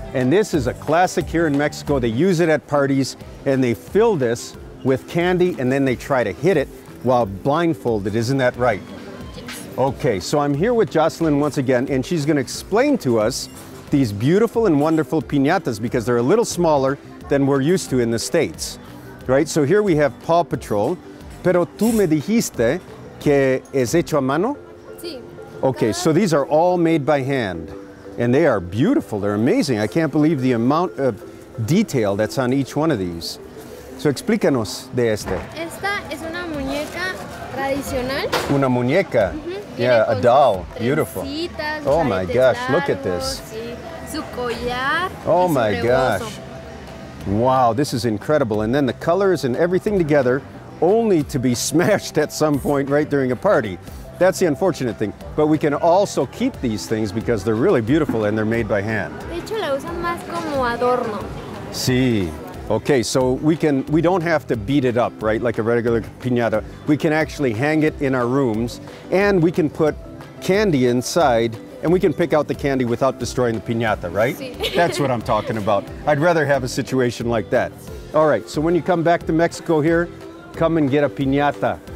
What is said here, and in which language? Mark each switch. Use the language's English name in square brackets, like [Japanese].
[English] And this is a classic here in Mexico. They use it at parties and they fill this with candy and then they try to hit it while blindfolded, isn't that right? Okay, so I'm here with Jocelyn once again, and she's gonna explain to us these beautiful and wonderful piñatas because they're a little smaller than we're used to in the States, right? So here we have Paw Patrol. [Spanish] Pero tú me dijiste que es hecho a mano? Sí. [English] Okay, so these are all made by hand, and they are beautiful, they're amazing. I can't believe the amount of detail that's on each one of these. [Spanish] So explícanos de este. Esta es una muñeca tradicional. Una muñeca. [English] Yeah, a doll. Beautiful. Oh my gosh, look at this. [Spanish] Su collar. [English] Oh my gosh. Wow, this is incredible. And then the colors and everything together, only to be smashed at some point right during a party. That's the unfortunate thing. But we can also keep these things because they're really beautiful and they're made by hand. [Spanish] De hecho, la usan más como adorno. Sí. [English] Okay, so we don't have to beat it up, right? Like a regular piñata. We can actually hang it in our rooms and we can put candy inside and we can pick out the candy without destroying the piñata, right? [Spanish] Sí. [English] That's what I'm talking about. I'd rather have a situation like that. All right, so when you come back to Mexico here, come and get a piñata.